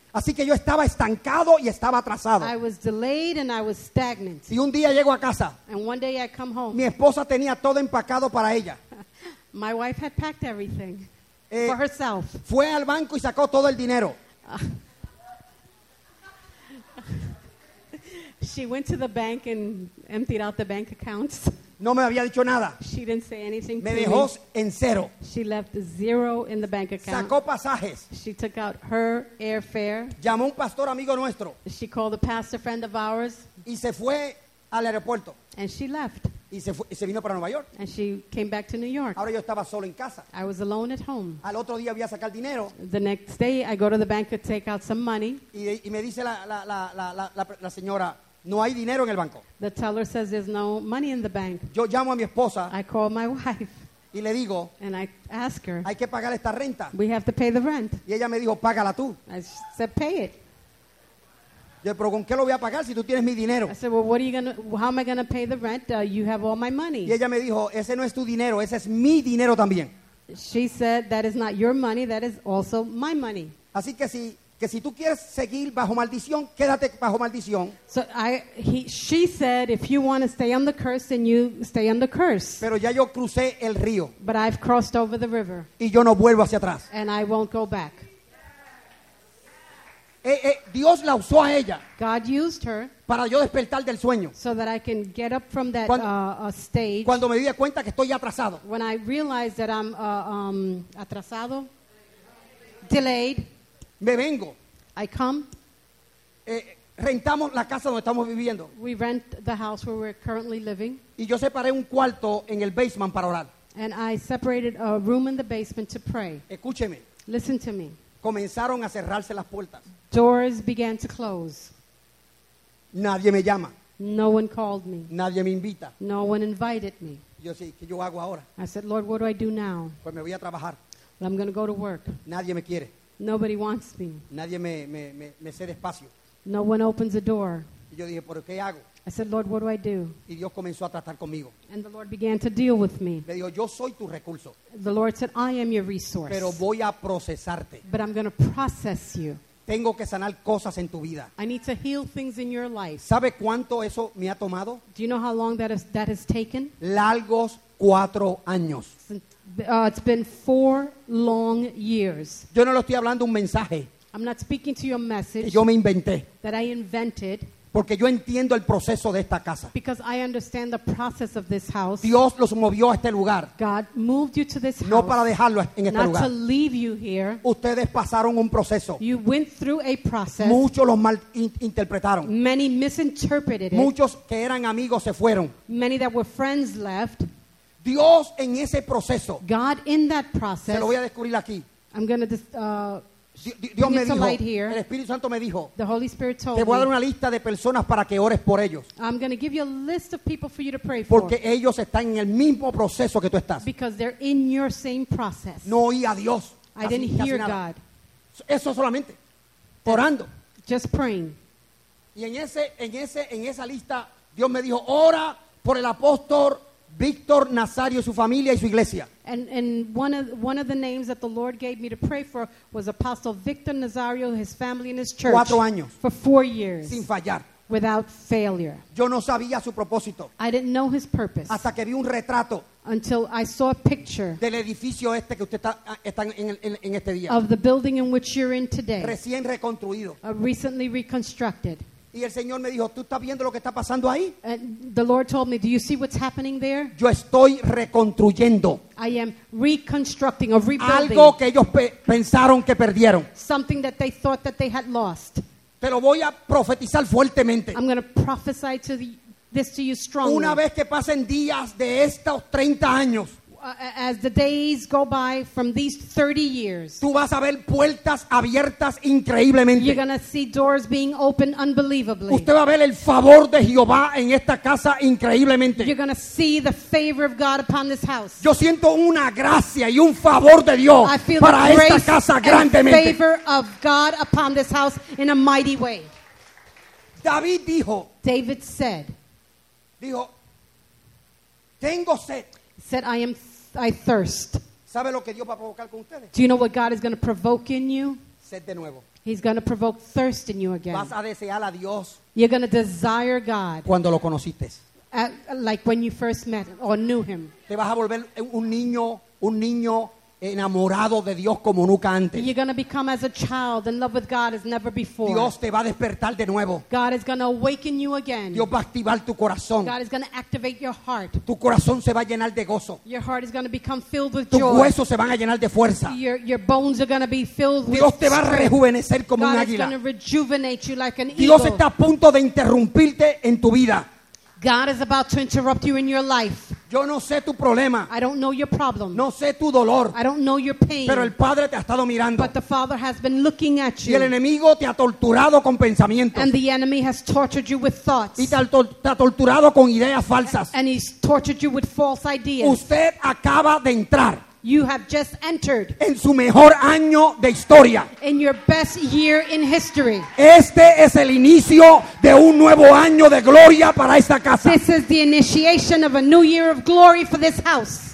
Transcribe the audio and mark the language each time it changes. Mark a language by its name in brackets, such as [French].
[Spanish] Así que yo estaba estancado y estaba atrasado. [English] I was delayed and I was stagnant. [Spanish] Y un día llego a casa. [English] And one day I come home. [Spanish] Mi esposa tenía todo empacado para ella. [English] My wife had packed everything for herself. [Spanish] Fue al banco y sacó todo el dinero. [English] She went to the bank and emptied out the bank accounts. [Spanish] No me había dicho nada. [English] She didn't say anything [Spanish] me [English] to [Spanish] dejó [English] me. [Spanish] En cero. [English] She left zero in the bank account. [Spanish] Sacó pasajes. [English] She took out her airfare. [Spanish] Llamó un pastor amigo nuestro. [English] She called a pastor friend of ours. [Spanish] Y se fue al aeropuerto. [English] And she left. [Spanish] Y se vino para Nueva York. [English] And she came back to New York. [Spanish] Ahora yo estaba solo en casa. [English] I was alone at home. [Spanish] Al otro día voy a sacar dinero. [English] The next day I go to the bank to take out some money. [Spanish] Y me dice la señora, no hay dinero en el banco. [English] The teller says there's no money in the bank. [Spanish] Yo llamo a mi esposa. [English] I call my wife. [Spanish] Y le digo. [English] And I ask her. [Spanish] Hay que pagar esta renta. [English] We have to pay the rent. [Spanish] Y ella me dijo, págala tú. [English] I said, pay it. [Spanish] Yo, pero ¿con qué lo voy a pagar si tú tienes mi dinero? [English] I said, well, how am I going to pay the rent? You have all my money. [Spanish] Y ella me dijo, ese no es tu dinero, ese es mi dinero también. [English] She said, that is not your money, that is also my money. [Spanish] Así que si tú quieres seguir bajo maldición, quédate bajo maldición. [English] So she said, if you want to stay on the curse, then you stay on the curse. [Spanish] Pero ya yo crucé el río. [English] But I've crossed over the river. [Spanish] Y yo no vuelvo hacia atrás. [English] And I won't go back. [Spanish] Dios la usó a ella. [English] God used her. [Spanish] Para yo despertar del sueño. [English] So that I can get up from that stage. [Spanish] Cuando me di cuenta que estoy atrasado. [English] When I realized that I'm atrasado. Delayed. [Spanish] Me vengo. [English] I come. [Spanish] Rentamos la casa donde estamos viviendo. [English] We rent the house where we're currently living. [Spanish] Y yo separé un cuarto en el basement para orar. [English] And I separated a room in the basement to pray. [Spanish] Escúcheme. [English] Listen to me. [Spanish] Comenzaron a cerrarse las puertas. [English] Doors began to close. [Spanish] Nadie me llama. [English] No one called me. [Spanish] Nadie me invita. [English] No one invited me. [Spanish] Yo sí, ¿qué yo hago ahora? [English] I said, Lord, what do I do now? [Spanish] Pues me voy a trabajar. [English] Well, I'm going to go to work. [Spanish] Nadie me quiere. [English] Nobody wants me. [Spanish] Nadie me cede espacio. [English] No one opens the door. [Spanish] Y yo dije, ¿por qué hago? [English] I said, Lord, what do I do? [Spanish] Y Dios comenzó a tratar conmigo. [English] And the Lord began to deal with me. [Spanish] Me dijo, yo soy tu recurso. [English] The Lord said, I am your resource. [Spanish] Pero voy a procesarte. [English] But I'm going to process you. [Spanish] Tengo que sanar cosas en tu vida. [English] I need to heal things in your life. [Spanish] ¿Sabe cuánto eso me ha tomado? [English] Do you know how long that has taken? [Spanish] Largos 4 años. [English] It's been 4 long years. [Spanish] Yo no lo estoy hablando un mensaje. [English] I'm not speaking to your message. [Spanish] Yo me inventé. [English] That I invented. [Spanish] Porque yo entiendo el proceso de esta casa. [English] Because I understand the process of this house. [Spanish] Dios los movió a este lugar. [English] God moved you to this house. [Spanish] No para dejarlo en este lugar. [English] Not to leave you here. [Spanish] Ustedes pasaron un proceso. [English] You went through a process. [Spanish] Muchos los malinterpretaron. [English] Many misinterpreted it. [Spanish] Muchos que eran amigos se fueron. [English] Many that were friends left. [Spanish] Dios en ese proceso. [English] God in that process. [Spanish] Se lo voy a descubrir aquí. [English] I'm going to [Spanish] Dios me dijo, el Espíritu Santo me dijo, [English] the Holy Spirit told [Spanish] te voy a dar una lista de personas para que ores por ellos. [English] I'm going to give you a list of people for you to pray for. [Spanish] Porque ellos están en el mismo proceso que tú estás. [English] Because they're in your same process. [Spanish] No oí a Dios. [English] I didn't hear God. [Spanish] Eso solamente. Orando. [English] Just praying. [Spanish] Y en esa lista, Dios me dijo, ora por el apóstol Víctor Nazario, su familia y su iglesia. [English] And one of the names that the Lord gave me to pray for was Apostle Victor Nazario, his family and his church. [Spanish] 4 años. [English] For 4 years. [Spanish] Sin fallar. [English] Without failure. [Spanish] Yo no sabía su propósito. [English] I didn't know his purpose. [Spanish] Hasta que vi un retrato. [English] Until I saw a picture. [Spanish] Del edificio este que usted está en este día. [English] Of the building in which you're in today. [Spanish] Recién reconstruido. [English] Recently reconstructed. [Spanish] Y el Señor me dijo, ¿tú estás viendo lo que está pasando ahí? [English] And the Lord told me, do you see what's happening there? [Spanish] Yo estoy reconstruyendo. [English] I am reconstructing or rebuilding. [Spanish] Algo que ellos pensaron que perdieron. [English] Something that they thought that they had lost. [Spanish] Te lo voy a profetizar fuertemente. [English] I'm going to prophesy this to you strongly. [Spanish] Una vez que pasen días de estos 30 años. [English] As the days go by from these 30 years, [Spanish] tú vas a ver puertas abiertas increíblemente. [English] You're going to see doors being opened unbelievably. [Spanish] Usted va a ver el favor de Jehová en esta casa increíblemente. [English] You're going to see the favor of God upon this house. [Spanish] Yo siento una gracia y un favor de Dios para esta casa grandemente. [English] I feel the favor of God upon this house in a mighty way. [Spanish] David dijo. [English] David said. [Spanish] Dijo, tengo sed. [English] Said, I thirst. [Spanish] ¿Sabe lo que Dios va a provocar con ustedes? [English] Do you know what God is going to provoke in you? [Spanish] Sed de nuevo. [English] He's going to provoke thirst in you again. [Spanish] Vas a desear a Dios. [English] You're going to desire God. [Spanish] Cuando lo conociste. [English] Like when you first met him or knew him. [Spanish] Te vas a volver un niño enamorado de Dios como nunca antes. [English] You're going to become as a child in love with God as never before. [Spanish] Dios te va a despertar de nuevo. [English] God is going to awaken you again. [Spanish] Dios va a activar tu corazón. [English] God is going to activate your heart. [Spanish] Tu corazón se va a llenar de gozo. [English] Your heart is going to become filled with [Spanish] tu [English] joy. [Spanish] Tus huesos se van a llenar de fuerza. [English] Your bones are going to be filled [Spanish] Dios [English] with strength. [Spanish] Dios te va a rejuvenecer como [English] God [Spanish] un águila. [English] God is going to rejuvenate you like an [Spanish] Dios [English] eagle. [Spanish] Dios está a punto de interrumpirte en tu vida. [English] God is about to interrupt you in your life. [Spanish] Yo no sé tu problema. [English] I don't know your problem. [Spanish] No sé tu dolor. [English] I don't know your pain. [Spanish] Pero el Padre te ha estado mirando. [English] But the Father has been looking at you. [Spanish] Y el enemigo te ha torturado con pensamientos. [English] And the enemy has tortured you with thoughts. [Spanish] Y te ha torturado con ideas falsas. [English] And he's tortured you with false ideas. [Spanish] Usted acaba de entrar. [English] You have just entered. [Spanish] En su mejor año de historia. [English] In your best year in history. [Spanish] Este es el inicio de un nuevo año de gloria para esta casa. [English] This is the initiation of a new year of glory for this house.